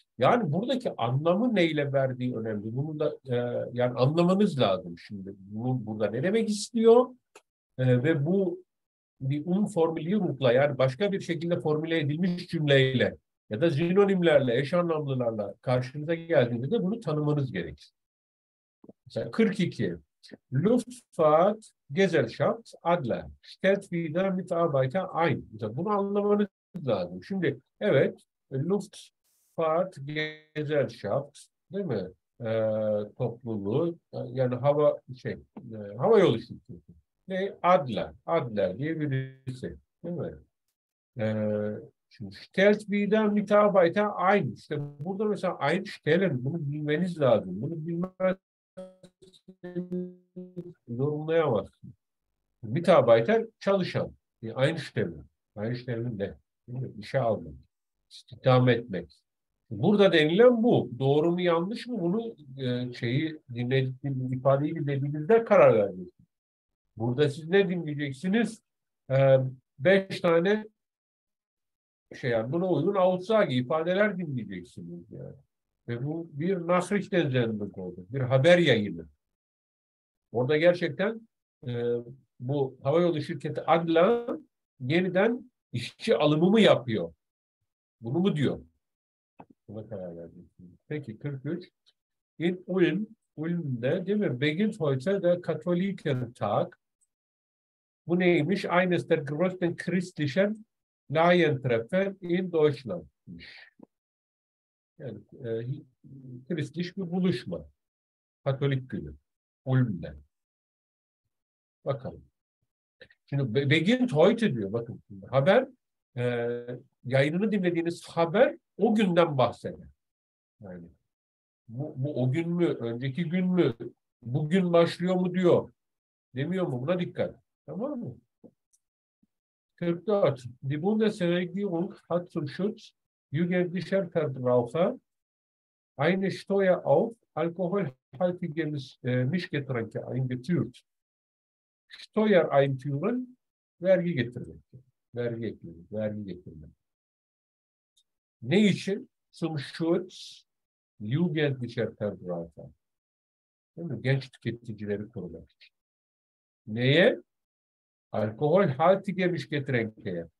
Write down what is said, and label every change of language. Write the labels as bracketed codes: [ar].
[tr] Yani buradaki anlamı neyle verdiği önemli. Bunu da yani anlamanız lazım şimdi. Bunu burada ne demek istiyor? Ve bu bir formülle, yani başka bir şekilde formüle edilmiş cümleyle ya da sinonimlerle, eş anlamlılarla karşınıza geldiğinde de bunu tanımanız gerekir. Mesela 42. [de] Luftfahrt Gesellschaft Adler stellt wieder Mitarbeiter ein. [tr] Mesela bunu anlamanız lazım. Şimdi evet, Luftfahrt Gesellschaft değil mi? Topluluğu, yani hava şey, hava yolu şirketi. Ne? Adler diye birisi. Değil mi? [de] Şimdi stellt wieder Mitarbeiter ein. [tr] İşte burada mesela ein stellen, bunu bilmeniz lazım. Bunu bilmezseniz yorumlayamazsınız. Mitarbeiter çalışan. Ein stellen de. İşe almak. İstihdam etmek. Burada denilen bu. Doğru mu yanlış mı? Bunu şeyi dinledik, ifadeyi bilebilir de karar verdik. Burada siz ne dinleyeceksiniz? Beş tane şey, yani buna uygun outsage ifadeler dinleyeceksiniz yani. Ve bu bir nachrichten sendung oldu. Bir haber yayını. Orada gerçekten bu havayolu şirketi Adler yeniden işçi alımımı yapıyor. Bunu mu diyor? Buna karar verdim. Peki 43. In Ulm'de değil mi? [de] Beginnt heute der Katholikentag. [tr] Bu neymiş? [de] Eines der größten christlichen Laientreffen in Deutschland. [tr] Yani Christlich bir buluşma. Katolik günü. Ulm'den. Bakalım. Şimdi [de] Beginnt heute [tr] diyor. Bakın şimdi, haber yayınını dinlediğiniz haber o günden bahseder. Yani bu o gün mü? Önceki gün mü? Bugün başlıyor mu diyor. Demiyor mu? Buna dikkat. Tamam mı? 44. [de] Die Bundesregierung hat zum Schutz jugendlicher Verbraucher eine Steuer auf alkoholhaltige Mischgetränke eingeführt. Steuer einführen, [tr] vergi getirmek. Vergi ekledim, vergi getirmek. Ne için? [de] Zum Schutz jugendlicher Verbraucher. [tr] Değil mi? Genç tüketicileri korumak için. Neye? [de] Alkohol haltige Mischgetränke.